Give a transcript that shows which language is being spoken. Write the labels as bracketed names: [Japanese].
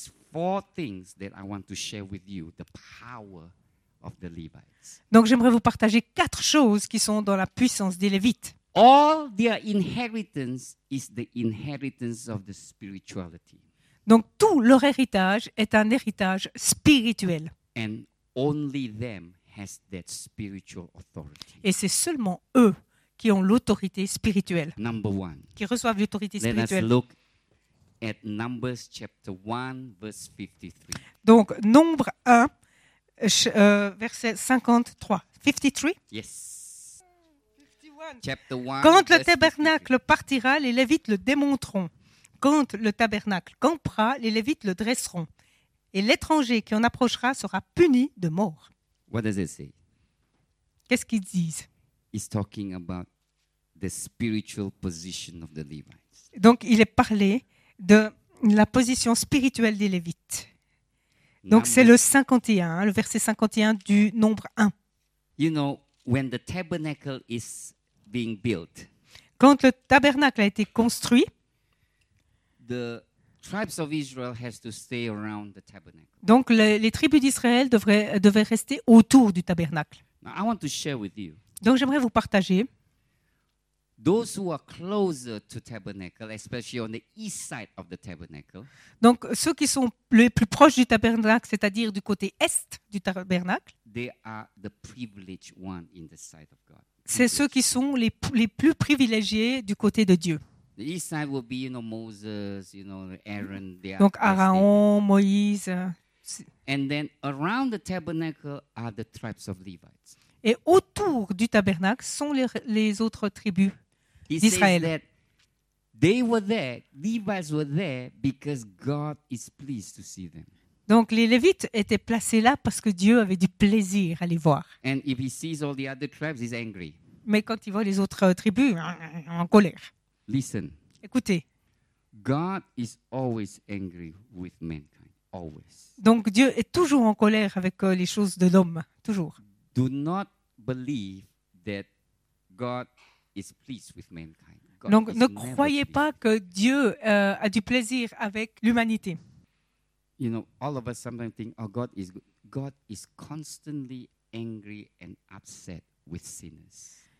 [English] Four things that I want to share with you, the power of the Levites. [French] Donc j'aimerais vous partager quatre choses qui sont dans la puissance des Lévites. [English] All their inheritance is the inheritance of the spirituality. [French] Donc tout leur héritage est un héritage spirituel. [English] And only them has that spiritual authority. [French] Et c'est seulement eux qui ont l'autorité spirituelle. [English] Number one. [French] Qui reçoivent l'autorité spirituelle. [English] Let us look at Numbers chapter 1, verse 53. [French] Donc, Nombre 1, verset 53. 53? [English] Yes. [French] 51. [English] Chapter 1, [French] quand le tabernacle 53. Partira, les Lévites le démonteront. Quand le tabernacle campera, les Lévites le dresseront. Et l'étranger qui en approchera sera puni de mort. [English] What does it say? [French] Qu'est-ce qu'ils disent? [English] It's talking about the spiritual position of the Levites. [French] Donc, il est parlé de la position spirituelle des Lévites. Donc c'est le 51, le verset 51 du nombre 1. [English] You know, when the tabernacle is being built, [French] quand le tabernacle a été construit, [English] the tribes of Israel has to stay around the tabernacle. [French] Donc les tribus d'Israël devaient rester autour du tabernacle. [English] Now, I want to share with you. [French] Donc j'aimerais vous partager. [English] Those who are closer to tabernacle, especially on the east side of the tabernacle. [French] Donc ceux qui sont les plus proches du tabernacle, c'est-à-dire du côté est du tabernacle. [English] They are the privileged one in the sight of God. [French] C'est ceux qui sont les plus privilégiés du côté de Dieu. [English] The east side will be, you know, Moses, you know, Aaron. [French] Donc Aaron, Moïse. [English] And then around the tabernacle are the tribes of Levites. [French] Et autour du tabernacle sont les autres tribus d'Israël. [English] They were there, Levites were there because God is pleased to see them. [French] Donc les Lévites étaient placés là parce que Dieu avait du plaisir à les voir. [English] And if he sees all the other tribes, he's angry. [French] Mais quand il voit les autres tribus, en colère. [English] Listen. [French] Écoutez. [English] God is always angry with mankind, always. [French] Donc Dieu est toujours en colère avec les choses de l'homme, toujours. [English] Do not believe that God is pleased with mankind. God [French] donc, ne croyez pas que Dieu a du plaisir avec l'humanité. [English] You know, all of us sometimes think, oh, God is constantly angry and upset with sinners.